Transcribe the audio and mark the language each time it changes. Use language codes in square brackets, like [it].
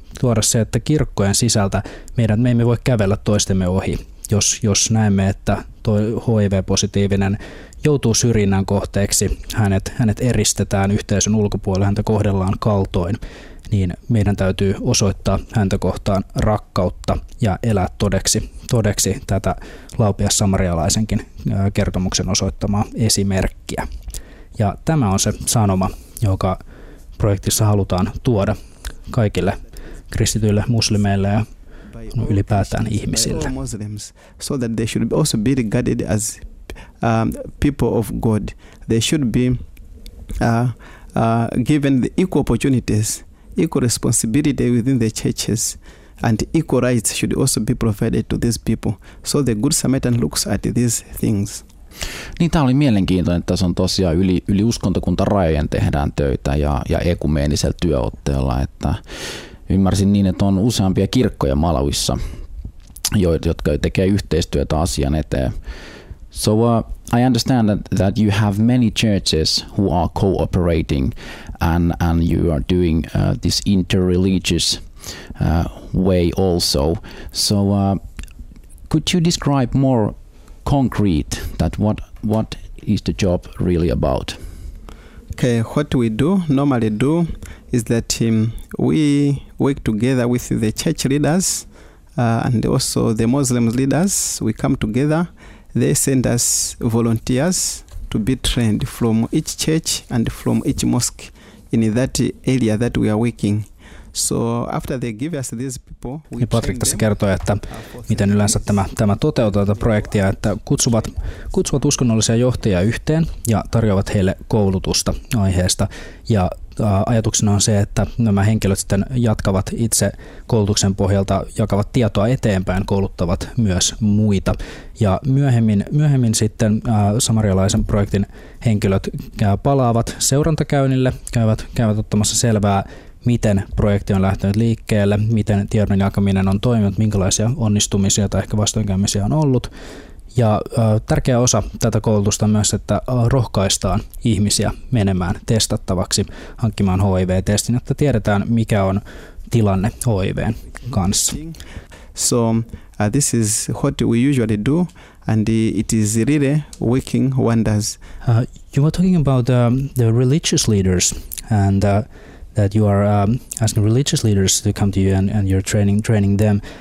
[fi] Tuoda se, että kirkkojen sisältä me emme voi kävellä toistemme ohi, jos näemme, että tuo HIV-positiivinen joutuu syrjinnän kohteeksi, hänet eristetään yhteisön ulkopuolelle, häntä kohdellaan kaltoin, niin meidän täytyy osoittaa häntä kohtaan rakkautta ja elää todeksi tätä Laupia samarialaisenkin kertomuksen osoittamaa esimerkkiä. Ja tämä on se sanoma, joka projektissa halutaan tuoda kaikille kristityille muslimeille ja ylipäätään ihmisille. [en] So that they should also be regarded as people of God. They should be given the equal opportunities, equal responsibility within the churches, and equal rights should also be provided to these people. So the Good Samaritan looks at these things. [fi] Niin, tämä oli mielenkiintoinen, että tässä on tosiaan yli uskontokuntarajojen tehdään töitä ja ekumeenisellä työotteella, että ymmärsin niin, että on useampia kirkkoja Malawissa, jotka tekee yhteistyötä asian eteen. [en] So I understand that you have many churches who are cooperating and you are doing this interreligious way also. So could you describe more concrete that what is the job really about? Okay, what we normally do is that we work together with the church leaders and also the Muslim leaders. We come together. They send us volunteers to be trained from each church and from each mosque in that area that we are working. So after they give us these people, we train. [fi] Patrick tässä kertoi, että miten yleensä tämä toteutuu tätä projektia, että kutsuvat uskonnollisia johtajia yhteen ja tarjoavat heille koulutusta aiheesta. Ja ajatuksena on se, että nämä henkilöt sitten jatkavat itse koulutuksen pohjalta, jakavat tietoa eteenpäin, kouluttavat myös muita. Ja myöhemmin sitten samarialaisen projektin henkilöt palaavat seurantakäynnille, käyvät ottamassa selvää, miten projekti on lähtenyt liikkeelle, miten tiedon jakaminen on toiminut, minkälaisia onnistumisia tai ehkä vastoinkäymisiä on ollut. Ja tärkeä osa tätä koulutusta myös, että rohkaistaan ihmisiä menemään testattavaksi, hankkimaan HIV-testin, jotta tiedetään, mikä on tilanne HIVn kanssa. [en] So this is what we usually do, and it is really working wonders. You were talking about the religious leaders and that you are asking religious leaders to come to you and you're training them.